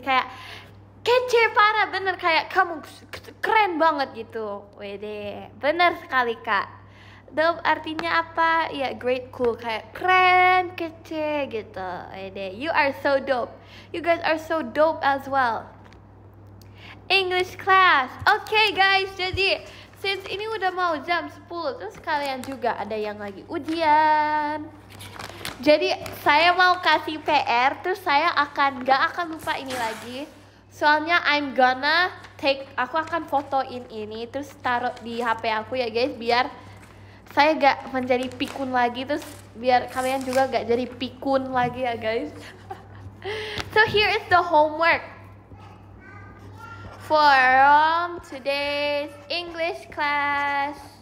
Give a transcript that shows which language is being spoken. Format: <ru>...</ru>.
<id>Kayak kece parah, bener. Kayak kamu keren banget gitu. Wede, bener sekali kak. Dope artinya apa? Ya,</id> <en>great, cool.</en> <id>Kayak keren, kece gitu.</id> <en>Wede, you are so dope. You guys are so dope as well. English class.</en> <id>Okay guys, jadi since ini udah mau jam 10, terus kalian juga ada yang lagi ujian. Jadi saya mau kasih PR, terus saya akan gak akan lupa ini lagi. Soalnya</id> <en>I'm gonna take,</en> <id>aku akan fotoin ini terus taruh di HP aku ya guys, biar saya gak menjadi pikun lagi, terus biar kalian juga gak jadi pikun lagi ya guys.</id> <en>So here is the homework for today's English class.</en>